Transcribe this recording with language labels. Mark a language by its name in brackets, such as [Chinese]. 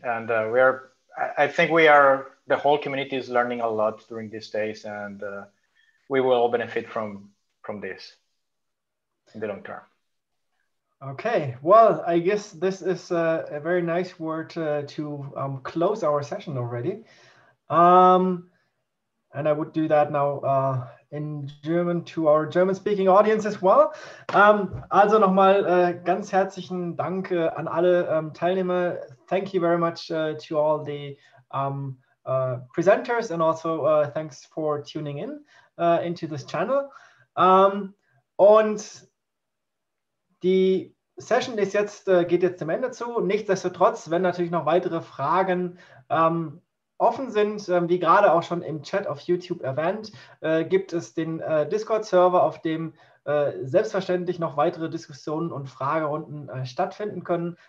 [English] And I think the whole community is learning a lot during these days, and we will all benefit from this in the long term. Okay, well, I guess this is a very nice word to close our session already. And I would do that now in German to our German-speaking audience as well. [German] Also nochmal ganz herzlichen Dank an alle Teilnehmer. [English] Thank you very much to all the presenters, and also thanks for tuning in into this channel. [German] Und die Session geht jetzt zum Ende zu. Nichtsdestotrotz, wenn natürlich noch weitere Fragen offen sind, wie gerade auch schon im Chat auf YouTube erwähnt, gibt es den Discord-Server, auf dem selbstverständlich noch weitere Diskussionen und Fragerunden stattfinden können.